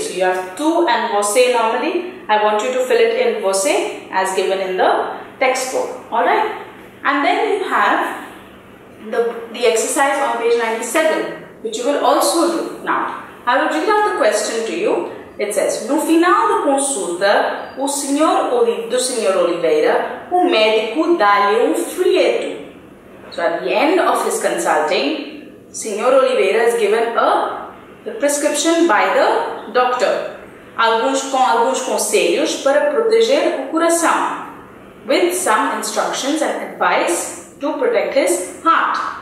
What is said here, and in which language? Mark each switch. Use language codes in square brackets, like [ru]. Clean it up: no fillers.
[en] So you have tu and você normally. I want you to fill it in você as given in the textbook. Alright? And then you have the exercise on page 97, which you will also do. Now, I will read out the question to you. It says, [pt] no final da consulta, do senhor Oliveira, o médico dá-lhe folheto. [en] So at the end of his consulting, senhor Oliveira is given a prescription by the doctor. [pt] Alguns conselhos para proteger o coração. [en] With some instructions and advice to protect his heart.